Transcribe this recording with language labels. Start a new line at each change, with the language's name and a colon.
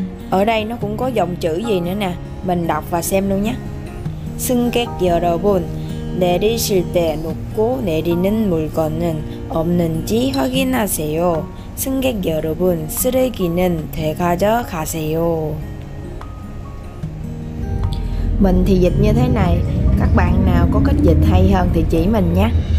Vietnamese: Ở đây nó cũng có dòng chữ gì nữa nè, mình đọc và xem luôn nhé.
Korean: 승객 여러분, 내리실 때 놓고 내리는 물건은 없는지 확인하세요. 승객 여러분, 쓰레기는 되가져 가세요.
Vietnamese: Mình thì dịch như thế này, các bạn nào có cách dịch hay hơn thì chỉ mình nhé.